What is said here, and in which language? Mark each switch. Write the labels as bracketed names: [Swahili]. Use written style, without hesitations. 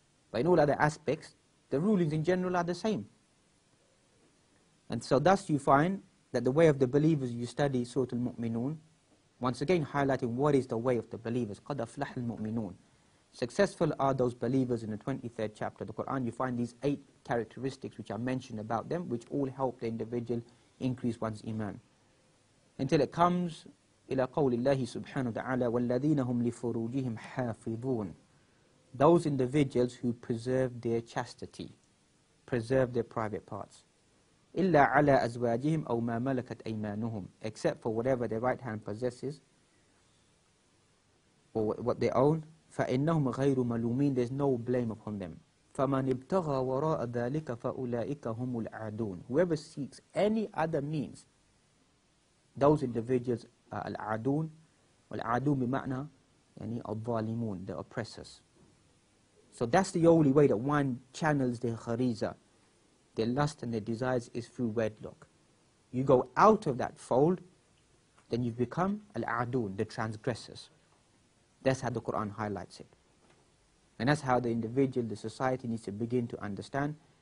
[English] But in all other aspects, the rulings in general are the same. And so thus you find that the way of the believers, you study Surah Al-Mu'minun, once again highlighting what is the way of the believers. [Arabic] قَدْ أَفْلَحَ الْمُؤْمِنُونَ. [English] Successful are those believers in the 23rd chapter of the Quran. You find these 8 characteristics which are mentioned about them, which all help the individual increase one's iman. [Arabic] Until it comes إِلَى قَوْلِ اللَّهِ سُبْحَانَهُ وَتَعَالَى وَالَّذِينَ هُمْ لِفُرُوجِهِمْ حَافِظُونَ. [English] Those individuals who preserve their chastity, preserve their private parts. [Arabic] إِلَّا عَلَىٰ أَزْوَاجِهِمْ أَوْ مَا مَلَكَتْ أَيْمَانُهُمْ. [English] Except for whatever their right hand possesses, or what they own. [Arabic] فَإِنَّهُمْ غَيْرُ مَلُومِينَ. [English] There's no blame upon them. [Arabic] فَمَنْ ابْتَغَى وَرَاءَ ذَلِكَ فَأُولَٰئِكَ هُمُ الْعَدُونَ. [English] Whoever seeks any other means, those individuals are العدون. [Arabic] والعدون بمعنى يعني الظالمون, [English] the oppressors. So that's the only way that one channels their khariza, their lust and their desires, is through wedlock. You go out of that fold, then you become al-adun, the transgressors. That's how the Quran highlights it. And that's how the individual, the society, needs to begin to understand